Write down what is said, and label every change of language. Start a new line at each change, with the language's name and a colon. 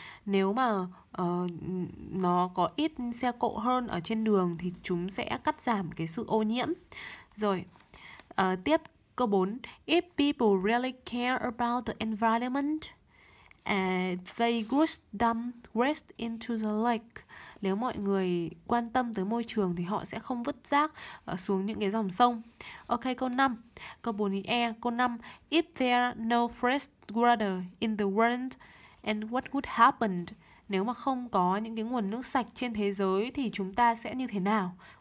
Vietnamese: Nếu mà nó có ít xe cộ hơn ở trên đường thì chúng sẽ cắt giảm cái sự ô nhiễm. Rồi, tiếp câu 4.
English: If people really care about the environment, they would dump waste into the lake.
Vietnamese: Nếu mọi người quan tâm tới môi trường thì họ sẽ không vứt rác xuống những cái dòng sông. Ok, câu 5. Câu 4 ý E. Câu 5.
English: If there are no fresh water in the world, and what would happen?
Vietnamese: Nếu mà không có những cái nguồn nước sạch trên thế giới thì chúng ta sẽ như thế nào?